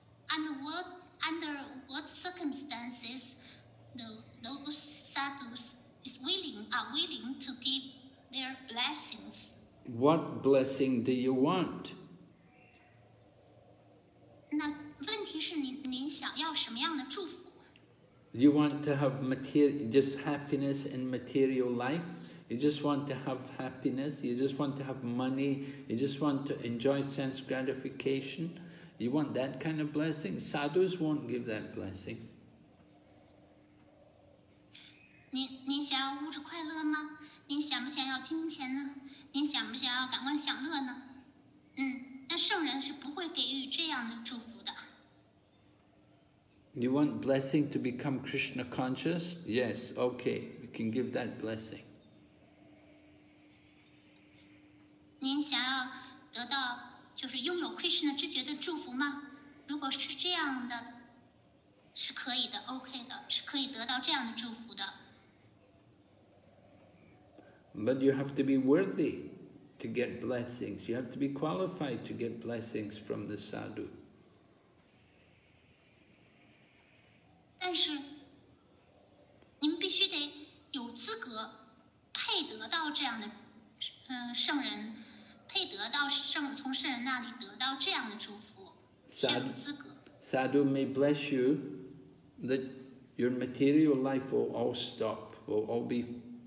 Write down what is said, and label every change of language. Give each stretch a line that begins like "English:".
English: Under what circumstances those sadhus? Are willing to give their blessings. What blessing do you want?
Chinese: 那问题是您想要什么样的祝福？
English: You want to have just happiness in material life? You just want to have happiness? You just want to have money? You just want to enjoy sense gratification? You want that kind of blessing? Sadhus won't give that blessing.
Chinese: 您想要物质快乐吗？您想不想要金钱呢？您想不想要感官享乐呢？人是不会给予这样的祝福的。
English: You want blessing to become Krishna conscious? Yes, okay, we can give that blessing.
Chinese: 您想要得到就是拥有 Krishna 知觉的祝福吗？如果是这样的，是可以的 ，okay 的，是可以得到这样的祝福的。
English: But you have to be worthy to get blessings. You have to be qualified to get blessings from the sadhu.
Chinese: 但是，您必须得有资格配得到这样的，圣人，配得到圣从圣人那里得到这样的祝福， sadhu, 需要资格。
English: Sadhu may bless you, that your material life will all stop, will all be.